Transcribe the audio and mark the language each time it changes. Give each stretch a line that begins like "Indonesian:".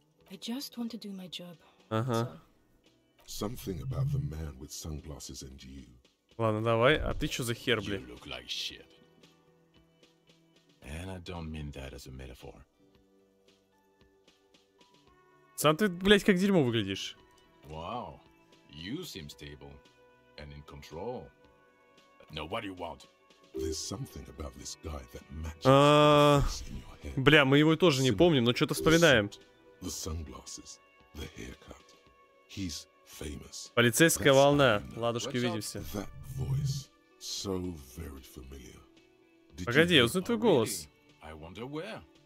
English: I just want to do my job.
Russian: Ага.
English: Something about the man with sunglasses and you.
Russian: Ладно, давай. А ты что за хер, бля?
English: You look like shit. And I don't mean that as a metaphor.
Russian: Сам ты, блядь, как дерьмо выглядишь.
English: Wow. You seem stable and in control. Now, what do you want? There's something about this guy that matches the sunglasses in your head.
Russian: Бля, мы его тоже не помним, но что-то вспоминаем.
English: The sunglasses, the haircut. He's... Famous.
Russian: Полицейская волна. Ладушки, увидимся.
English: So very familiar.
Russian: Погоди, я узнаю твой голос.
English: I wonder where.